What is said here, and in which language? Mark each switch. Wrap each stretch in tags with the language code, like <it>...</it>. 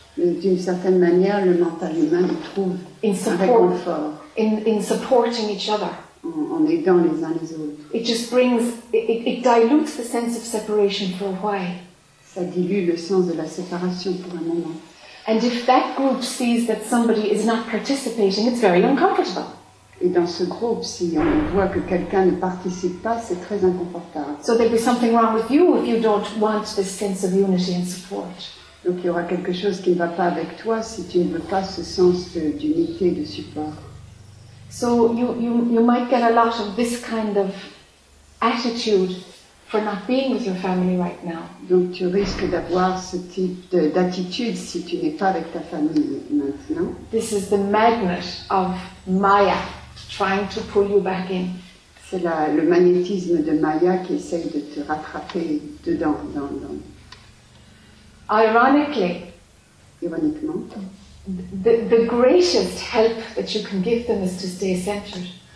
<fr>D'une certaine manière, le mental humain trouve un réconfort.</fr> <en>In supporting each other.</en> <fr>En aidant les uns les autres.</fr> <en>It just brings, it dilutes the sense of separation for a while.</en> <fr>Ça dilue le sens de la séparation pour un moment.</fr> <en>And if that group sees that somebody is not participating, it's very uncomfortable.</en> <fr>Et dans ce groupe, si on voit que quelqu'un ne participe pas, c'est très inconfortable.</fr> <en>So there'd be something wrong with you if you don't want this sense of unity and support.</en> <fr>Donc il y aura quelque chose qui ne va pas avec toi si tu ne veux pas ce sens d'unité, de support.</fr> <en>So you might get a lot of this kind of attitude for not being with your family right now.</en> <fr>Donc tu risques d'avoir ce type d'attitude si tu n'es pas avec ta famille maintenant.</fr> <en>This is the magnet of Maya trying to pull you back in.</en> <fr>C'est le magnétisme de Maya qui essaye de te rattraper dedans, dans.</fr> <en>Ironically, the greatest help that you can give them is to stay centered.</en>